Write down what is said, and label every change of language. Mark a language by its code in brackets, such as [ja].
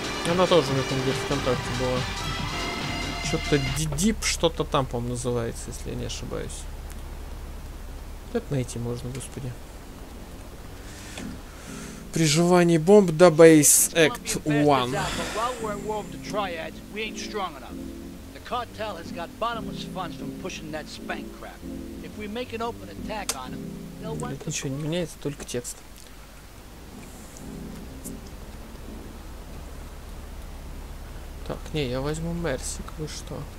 [ru] Она тоже у меня там где-то ВКонтакте была. Что-то Дидип, что-то там, по-моему, называется, если я не ошибаюсь. Это найти можно, господи. Приживание бомб до Base Act 1. [en] While we're involved with the triads, we ain't strong enough. The cartel has got bottomless funds from pushing that spank crap. If we make an open attack on them, they'll want to... [ru] Ничего не меняется, только текст. Так, не, я возьму Мерсик, вы что?